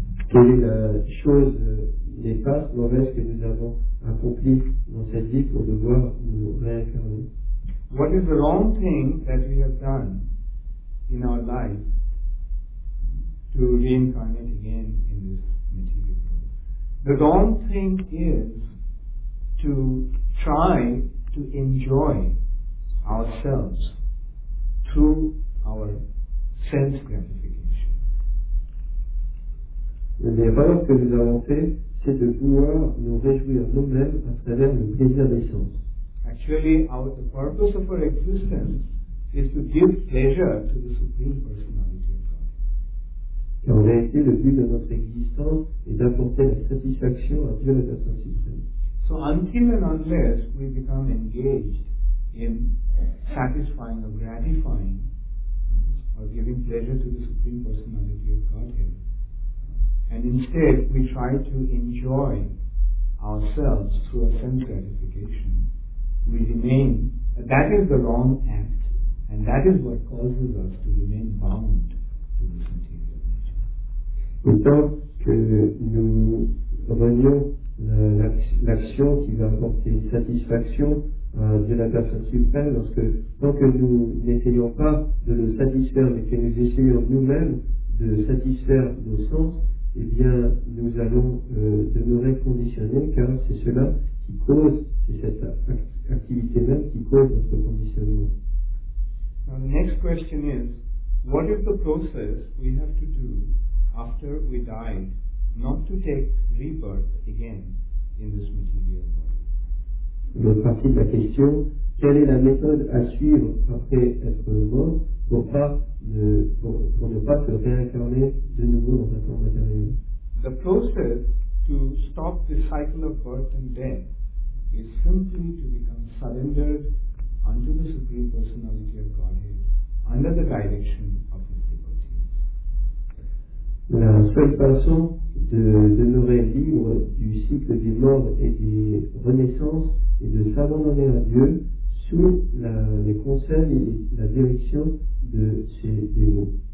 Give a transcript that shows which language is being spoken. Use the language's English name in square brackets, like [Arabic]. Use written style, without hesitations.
[French] Quelle est la chose néfaste, mauvaise que nous avons accomplie dans cette vie pour devoir nous réincarner? [English] What is the wrong thing that we have done in our life to reincarnate again in this material world? The wrong thing is to try to enjoy ourselves through our sense gratification. [French] L'erreur que nous avons fait, c'est de vouloir nous réjouir nous-mêmes à travers le plaisir des sens. [English] Actually, the purpose of our existence is to give pleasure to the Supreme Personality of God. [French] Et en réalité, le but de notre existence est d'apporter la satisfaction à Dieu, la personne suprême. [English] So until and unless we become engaged in satisfying or gratifying or giving pleasure to the Supreme Personality of Godhead, and instead we try to enjoy ourselves through a sense gratification, we remain, that is the wrong act, and that is what causes us to remain bound to this material nature. [French] Et tant que nous renions l'action qui va apporter satisfaction de la personne suprême, lorsque tant que nous n'essayons pas de le satisfaire, mais que nous essayons nous-mêmes de satisfaire nos sens, eh bien, nous allons demeurer conditionnés, car c'est cela qui cause, c'est cette activité même qui cause notre conditionnement. [English] Now the next question is, what is the process we have to do after we die, not to take rebirth again in this material body? [French] L'autre partie de la question, quelle est la méthode à suivre après être mort pour ne pas se réincarner de nouveau dans un corps matériel? [English] The process to stop the cycle of birth and death is simply to become surrendered unto the Supreme Personality of Godhead under the direction of His devotees. [French] La seule façon de demeurer libre du cycle des morts et des renaissances et de s'abandonner à Dieu sous les conseils et la direction de ses dévots.